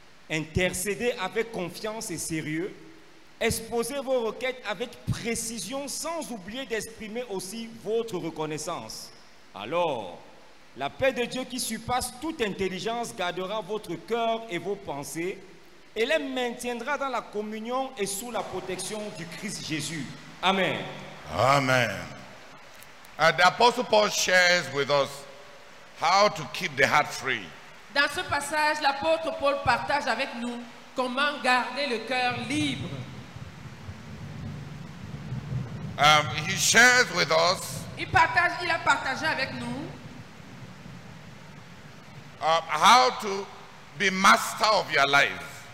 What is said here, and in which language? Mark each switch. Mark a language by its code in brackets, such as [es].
[fr] Intercédez avec confiance et sérieux. Exposez vos requêtes avec précision, sans oublier d'exprimer aussi votre reconnaissance. Alors, la paix de Dieu qui surpasse toute intelligence gardera votre cœur et vos pensées et les maintiendra dans la communion et sous la protection du Christ Jésus. Amen. Amen. [en] The Apostle Paul shares with us how to keep the heart free. [fr] Dans ce passage, l'apôtre Paul partage avec nous comment garder le cœur libre. [en] He shares with us. [fr] Il a partagé avec nous. [en] How to be master of your life.